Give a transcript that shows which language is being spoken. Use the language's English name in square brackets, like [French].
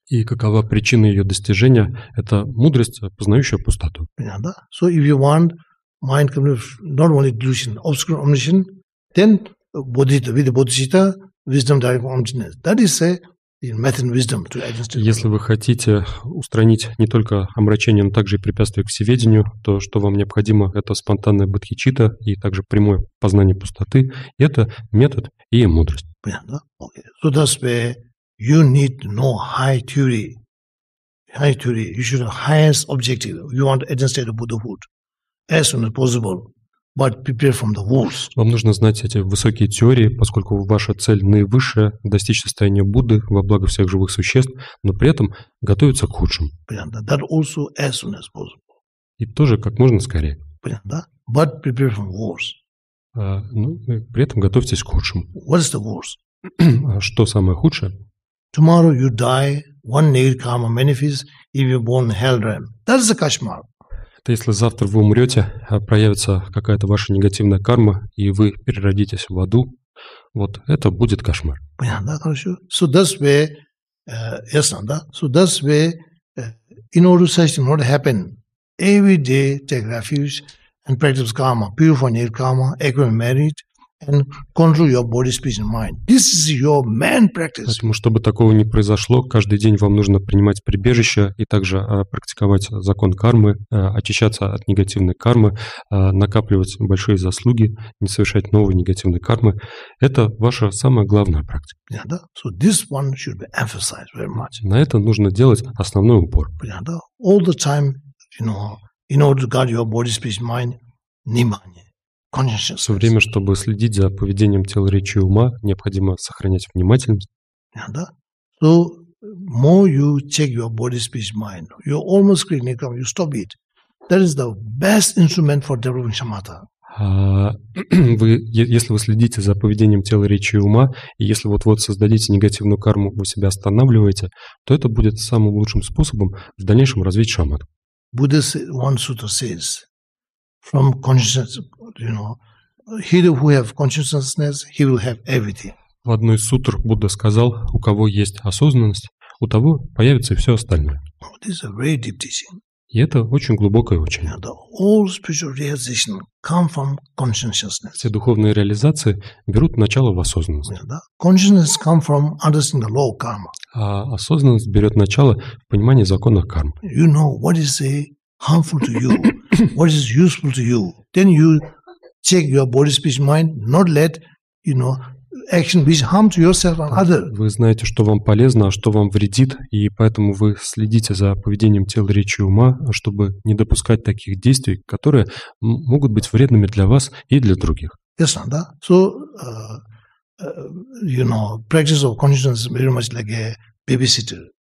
[Russian] И какова причина ее достижения? Это мудрость, познающая пустоту. Понятно. [English] So if you want mind completely not only delusion, obscure omniscient, then bodhita, with the bodhicitta, wisdom direct emptiness. That is a [Russian] Если вы хотите устранить не только омрачение, но также и препятствия к всеведению, то что вам необходимо, это спонтанная бодхичитта и также прямое познание пустоты. И это метод и мудрость. Понятно, да? [English] Okay. So that's where you need to know high theory. High theory. You should have highest objective. You want to attain state of Buddhahood as soon as possible. But prepare from the worst. [Russian] Вам нужно знать эти высокие теории, поскольку ваша цель наивысшая — достичь состояния Будды во благо всех живых существ, но при этом готовиться к худшим. Понятно. [English] That also as soon as possible. [Russian] И тоже как можно скорее. Понятно, да? [English] But prepare from the worst. [Russian] Ну, при этом готовьтесь к худшему. [English] What is the worst? [Russian] Что самое худшее? [English] Tomorrow you die, one negative karma manifests, if you're born in hell realm. That is a kashmar. [Russian] То если завтра вы умрете, проявится какая-то ваша негативная карма, и вы переродитесь в аду, вот это будет кошмар. Понятно, да, хорошо. [English] So that's where, [Russian] ясно, да? [English] So that's where, in order such thing not happen, every day take refuge and practice karma, purify your karma, equanimity merit, and control your body, speech and mind. This is your main practice. [Russian] Поэтому, чтобы такого не произошло, каждый день вам нужно принимать прибежище и также практиковать закон кармы, очищаться от негативной кармы, накапливать большие заслуги, не совершать новой негативной кармы. Это ваша самая главная практика. [English] Yeah, [Russian] да? [English] So this one should be emphasized very much. [Russian] На это нужно делать основной упор. [English] Yeah, [Russian] да? [English] All the time, you know, in order to guard your body, speech and mind, внимание. [Russian] Все время, чтобы следить за поведением тела, речи и ума, необходимо сохранять внимательность. [English] Yeah, [Russian] да? [English] So more you check your body, speech, mind, you're almost clinic, you stop it. That is the best instrument for developing shamatha. [Russian] Если вы следите за поведением тела, речи и ума, и если вот-вот создадите негативную карму, вы себя останавливаете, то это будет самым лучшим способом в дальнейшем развить шамату. [English] Buddha one sutra says. From consciousness, you know, he who have consciousness, he will have everything. [Russian] В одной из сутр Будда сказал, у кого есть осознанность, у того появится и все остальное. [English] This is a very deep teaching. [Russian] И это очень глубокое учение. [English] The all spiritual realization come from consciousness. [Russian] Все духовные реализации берут начало в осознанности. [English] The consciousness come from understanding the law of karma. [Russian] А осознанность берет начало в понимании закона кармы. [English] You know what is harmful to you, what is useful to you. Then you check your body, speech, mind, not let, you know, action which harm to yourself and others. [Russian] Вы знаете, что вам полезно, а что вам вредит, и поэтому вы следите за поведением тела, речи и ума, чтобы не допускать таких действий, которые могут быть вредными для вас и для других. [English] Yes, [Russian] да? [English] So, you know, practice of consciousness is very much like a babysitter.